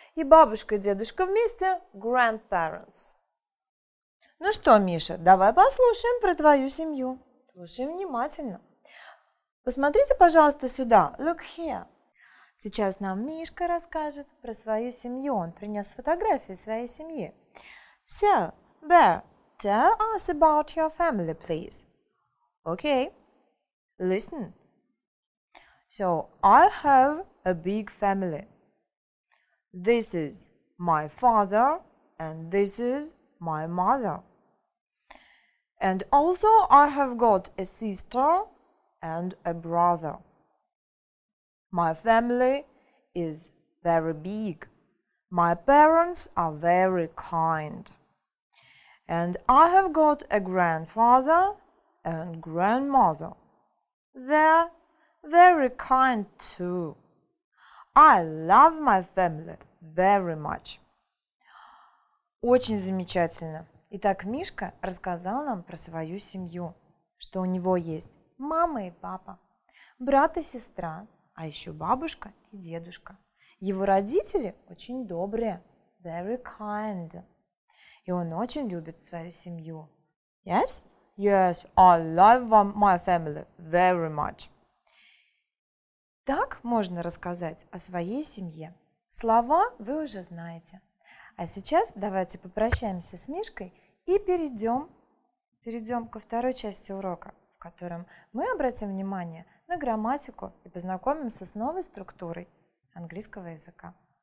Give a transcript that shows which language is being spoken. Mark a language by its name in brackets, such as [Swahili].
[Russian] И бабушка и дедушка вместе – grandparents. Ну что, Миша, давай послушаем про твою семью. Слушаем внимательно. Посмотрите, пожалуйста, сюда. [English] Look here. [Russian] Сейчас нам Мишка расскажет про свою семью. Он принес фотографии своей семьи. [English] So, Bear, tell us about your family, please. Okay. Listen. So, I have a big family. This is my father and this is my mother. And also I have got a sister and a brother. My family is very big. My parents are very kind. And I have got a grandfather and grandmother. They're very kind too. I love my family very much. [Russian] Очень замечательно. Итак, Мишка рассказал нам про свою семью, что у него есть мама и папа, брат и сестра, а еще бабушка и дедушка. Его родители очень добрые, [English] very kind, [Russian] и он очень любит свою семью. [English] Yes? Yes, I love my family very much. [Russian] Так можно рассказать о своей семье. Слова вы уже знаете. А сейчас давайте попрощаемся с Мишкой и перейдем ко второй части урока, в котором мы обратим внимание на грамматику и познакомимся с новой структурой английского языка.